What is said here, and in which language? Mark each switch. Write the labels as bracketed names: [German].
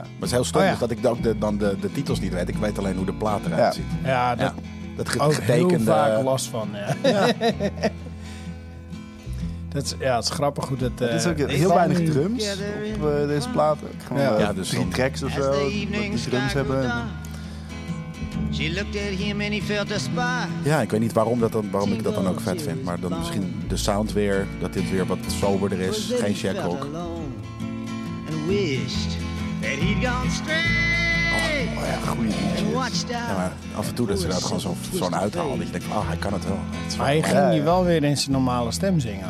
[Dutch] Maar het is heel stom dat ik ook de titels niet weet. Ik weet alleen hoe de plaat eruit ziet. Ja, dat getekende... Ook heel vaak last van, Het is grappig hoe dat... Dit is ook heel weinig drums op deze platen. Dus drie tracks of zo, die drums hebben... [English] She looked at him and he felt a spark. [Dutch] Ja, ik weet niet waarom ik dat dan ook vet vind. Maar dan misschien de sound weer. Dat dit weer wat soberder is. Geen shackrock. [English] wished that he'd gone straight. [Dutch] Oh, oh ja, goeie. Ja, maar af en toe dat ze dat gewoon zo'n uithalen. Dat je denkt, oh, hij kan het wel. Het maar hij ging die wel weer in zijn normale stem zingen.